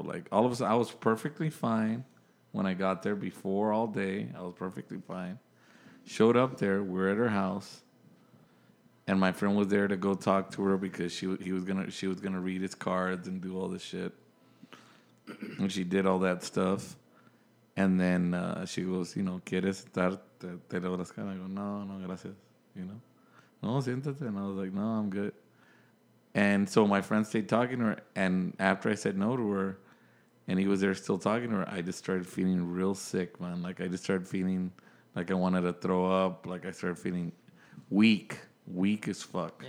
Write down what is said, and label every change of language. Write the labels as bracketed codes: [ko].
[en] Like, all of a sudden, I was perfectly fine when I got there before all day. I was perfectly fine. Showed up there. We're at her house. And my friend was there to go talk to her because she was gonna read his cards and do all this shit. And she did all that stuff. And then she goes, you know, [es] ¿quieres estar? ¿Te lo vas a quedar? [en] I go, [es] no, gracias. [en] You know? [es] No, siéntate. [en] And I was like, no, I'm good. And so my friend stayed talking to her, and after I said no to her, and he was there still talking to her, I just started feeling real sick, man. Like, I just started feeling like I wanted to throw up. Like, I started feeling weak, weak as fuck.